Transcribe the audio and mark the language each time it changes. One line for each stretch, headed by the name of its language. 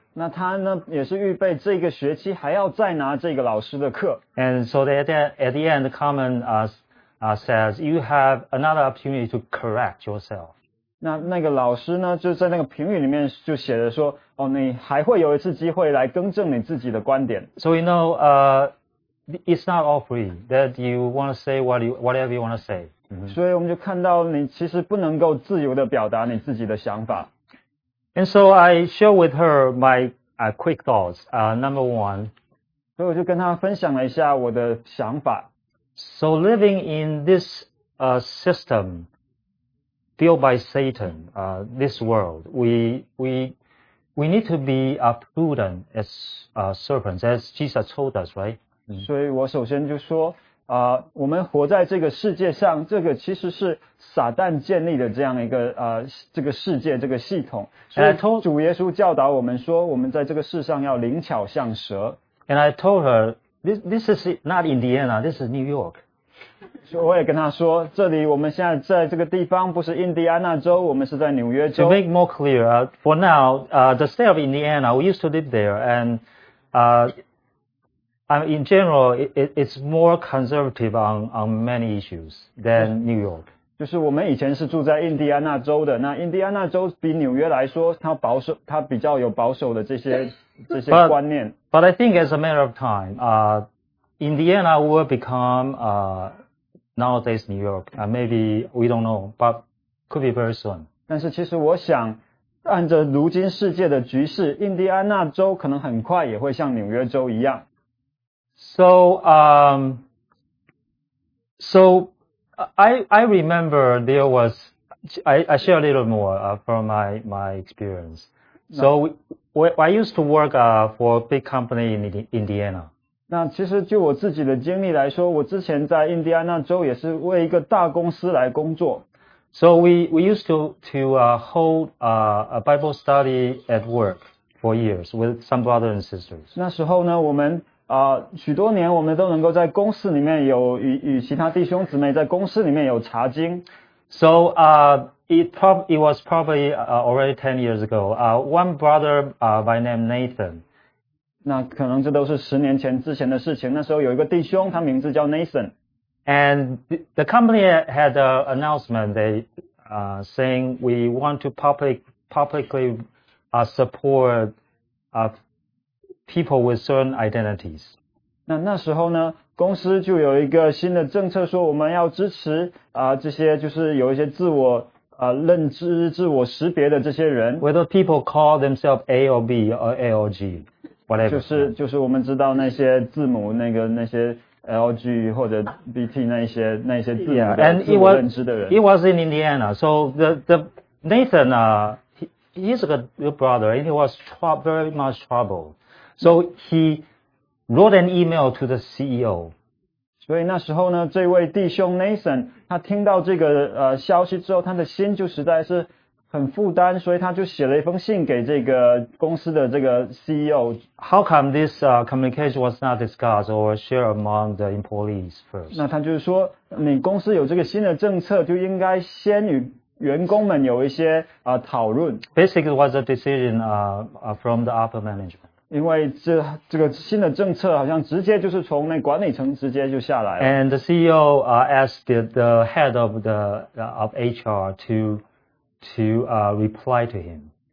Chinese: 那他呢也是预备这个学期还要再拿这个老师的课。
English: And so at the end, the comment says you have another opportunity to correct yourself.
Chinese: 那个老师呢就在那个评语里面就写着说哦，你还会有一次机会来更正你自己的观点。
English: So you know, it's not all free that you want to say whatever you want to say.、Mm-hmm.
Chinese: 所以我们就看到你其实不能够自由地表达你自己的想法。
English: And so I share with her my quick thoughts, number one.
Chinese: 所以我就跟她分享了一下我的想法。
English: So living in this system, filled by Satan, this world, we need to be prudent as serpents, as Jesus told us, right?
Chinese: 所以我首先就说, 我们活在这个世界上, 这个其实是撒旦建立的这样一个, 这个世界, 这个系统, 所以主耶稣教导我们说, 我们在这个世上要灵巧像蛇。
English: And I told her, this is not Indiana, this is New York.
Chinese: 我也跟他说, 这里我们现在在这个地方不是印第安纳州, 我们是在纽约州。
English: To make more clear, for now, the state of Indiana, we used to live there, and in general, it's more conservative on many issues than New York.
Chinese: 就是我们以前是住在印第安纳州的, 那印第安纳州比纽约来说, 它保守, 它比较有保守的这些, 这些观念。
English: But I think as a matter of time, Indiana will become nowadays New York. Maybe we don't know, but could be very soon.
Chinese: 但是其实我想, 按着如今世界的局势, 印第安纳州可能很快也会像纽约州一样。
English: So, I remember there was, I share a little more from my experience. So, I used to work for a big company in Indiana.
Chinese: 那其实就我自己的经历来说, 我之前在印第安纳州也是为一个大公司来工作。
English: So, we used to hold a Bible study at work for years with some brothers and sisters.
Chinese: 那时候呢, 我们 许多年我们都能够在公司里面有与其他弟兄姊妹在公司里面有查经。
English: So it was probably already 10 years ago. One brother by name Nathan.
Chinese: 那可能这都是十年前之前的事情，那时候有一个弟兄，他名字叫Nathan。
English: And the company had an announcement they saying we want to publicly support people with certain identities.
Chinese: 那时候呢, 公司就有一个新的政策说我们要支持, 这些就是有一些自我, 认知, 自我识别的这些人。
English: Whether people call themselves A or B or A or G, whatever.
Chinese: 就是我们知道那些字母, 那个, 那些 LG 或者 BT 那些, 那些字母,
English: yeah, and
Chinese: 自我认知的人。
English: It was in Indiana. So the Nathan, he's a good brother and he was very much troubled. So he wrote an email to the CEO.
Chinese: 所以那时候呢, 这位弟兄 Nathan, 他听到这个, 消息之后, 他的心就实在是很负担, 所以他就写了一封信给这个公司的这个 CEO.
English: How come this communication was not discussed or shared among the employees first?
Chinese: 那他就是说, 你公司有这个新的政策, 就应该先与员工们有一些, 讨论。
English: Basically, it was a decision from the upper management.
Chinese: 因为这个新的政策好像直接就是从那管理层直接就下来了。
English: And the CEO asked the head of the of HR to reply to him.